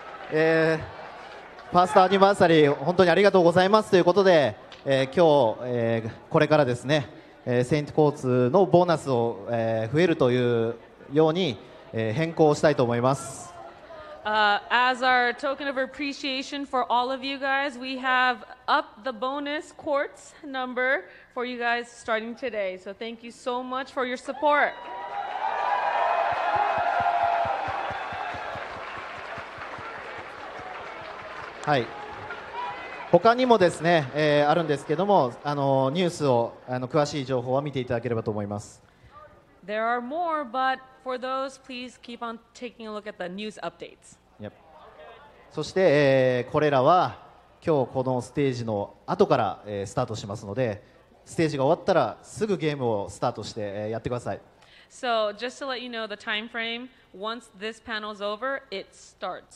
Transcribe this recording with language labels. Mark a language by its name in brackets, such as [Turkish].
[Japanese] ファーストアニバーサリー本当にありがとうございますということで、今日、これからですね、セイントコーツのボーナスを、増えるというように、変更したいと思います。 [English] As our token of appreciation for all of you guys, we have up the bonus quartz number for you guys starting today. So thank you so much for your support. [Japanese] はい。他にもですね、あるんですけども、ニュースを詳しい情報は見ていただければと思います。 [English] There are more, but for those, please keep on taking a look at the news updates. Yep. [Japanese] そして、これらは今日このステージの後から、スタートしますので、ステージが終わったらすぐゲームをスタートして、やってください。 [English] So just to let you know the time frame, once this panel is over, it starts.